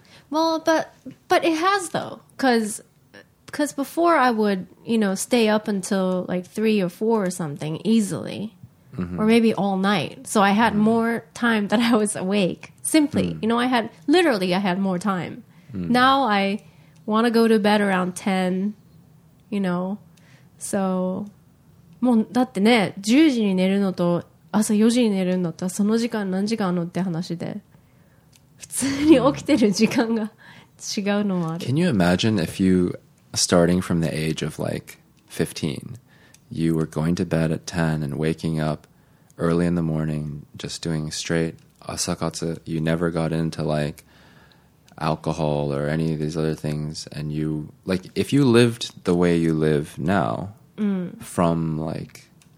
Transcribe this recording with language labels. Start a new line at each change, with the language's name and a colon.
English: Well, but it has though, because before I would, you know, stay up until like 3 or 4 or something easily, mm-hmm. or maybe all night. So I had more time that I was awake, simply, you know, I had more time. Mm. Now I want to go to bed around 10, you know, so...
Japanese: もうだってね、10時に寝るのと朝4時に寝るのとその時間何時間あるのって話で、普通に起きてる時間が違うのもある。
English: Can you imagine if you, starting from the age of like 15, you were going to bed at 10 and waking up early in the morning, just doing straight 朝活, you never got into like alcohol or any of these other things, and you, like, if you lived the way you live now,from like